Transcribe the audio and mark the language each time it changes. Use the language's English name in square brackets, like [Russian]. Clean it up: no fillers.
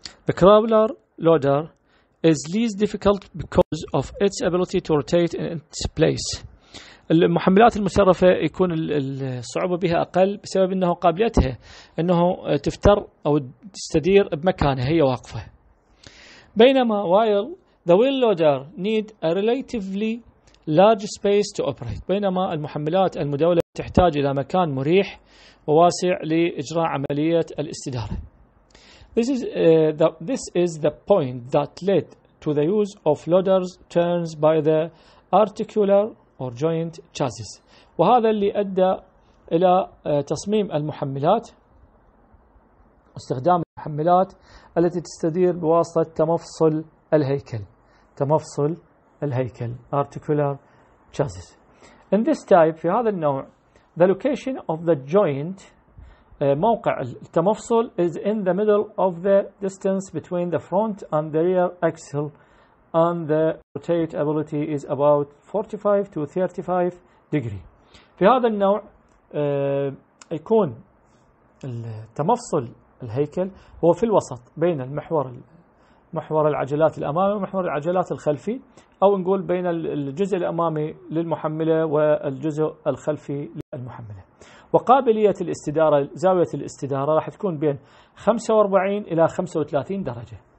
[English] The crawler loader is least difficult because of its ability to rotate in its place. [Arabic] المحملات المسرفة يكون الصعوبة بها أقل بسبب أنه قابلتها أنه تفتر أو تستدير بمكانها هي واقفة. [English] بينما while the wheel loader need a relatively large space to operate. [Arabic] بينما المحملات المدولة تحتاج إلى مكان مريح وواسع لإجراء عملية الاستدارة. [English] This is the point that led to the use of loaders turns by the articular or joint chassis. [Arabic] وهذا اللي أدى إلى تصميم المحملات، استخدام المحملات التي تستدير بواسطة تمفصل الهيكل، تمفصل الهيكل articular chassis. [English] In this type [Arabic] في هذا النوع [English] the location of the joint [Arabic] موقع التمفصل [English] is in the middle of the distance between the front and the rear axle and the rotate ability is about 45 to 35 degree. [Arabic] في هذا النوع يكون التمفصل الهيكل هو في الوسط بين محور العجلات الأمامي ومحور العجلات الخلفي، أو نقول بين الجزء الأمامي للمحملة والجزء الخلفي للمحملة، وقابلية الاستدارة زاوية الاستدارة راح تكون بين 45 إلى 35 درجة.